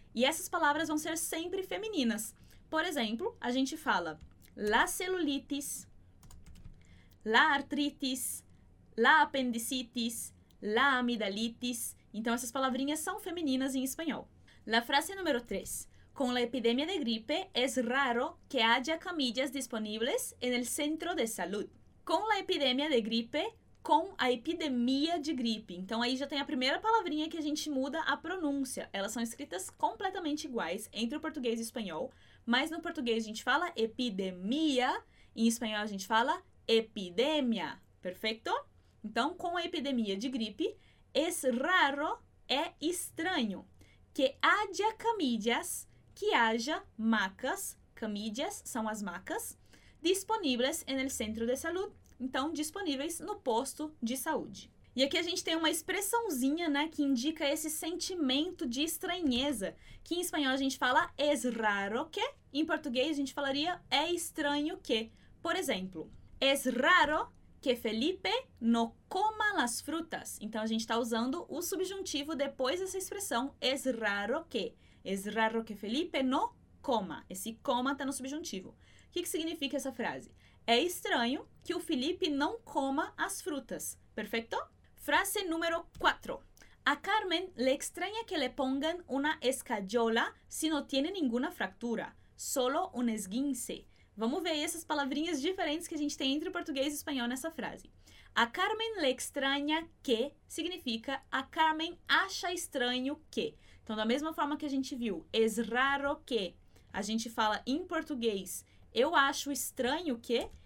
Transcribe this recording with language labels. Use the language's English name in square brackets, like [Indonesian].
[Portuguese] E essas palavras vão ser sempre femininas. Por exemplo, a gente fala [Spanish] la celulitis, la artritis, la apendicitis, la amidalitis. [Portuguese] Então, essas palavrinhas são femininas em espanhol. [Spanish] La frase número 3. Con la epidemia de gripe, es raro que haya camillas disponibles en el centro de salud. [Portuguese] Com la epidemia de gripe, com a epidemia de gripe. Então, aí já tem a primeira palavrinha que a gente muda a pronúncia. Elas são escritas completamente iguais entre o português e o espanhol. Mas no português a gente fala epidemia, em espanhol a gente fala epidemia, perfeito? Então, com a epidemia de gripe, [Spanish] es raro, [Portuguese] é estranho, que haja camillas, que haja macas, camillas são as macas, disponíveis [Spanish] en el centro de salud, [Portuguese] então disponíveis no posto de saúde. E aqui a gente tem uma expressãozinha, né, que indica esse sentimento de estranheza, que em espanhol a gente fala [Spanish] es raro que, [Portuguese] em português a gente falaria é estranho que. Por exemplo, [Spanish] es raro que Felipe no coma las frutas. [Portuguese] Então a gente está usando o subjuntivo depois dessa expressão [Spanish] es raro que. Es raro que Felipe no coma. [Portuguese] Esse coma está no subjuntivo. O que significa essa frase? É estranho que o Felipe não coma as frutas. Perfeito? Frase número 4. [Spanish] A Carmen le extraña que le pongan una escayola si no tiene ninguna fractura. Solo un esguince. [Portuguese] Vamos ver aí essas palavrinhas diferentes que a gente tem entre o português e o espanhol nessa frase. [Spanish] A Carmen le extraña que [Portuguese] significa a Carmen acha estranho que. Então, da mesma forma que a gente viu, [Spanish] es raro que, [Portuguese] a gente fala em português, eu acho estranho que.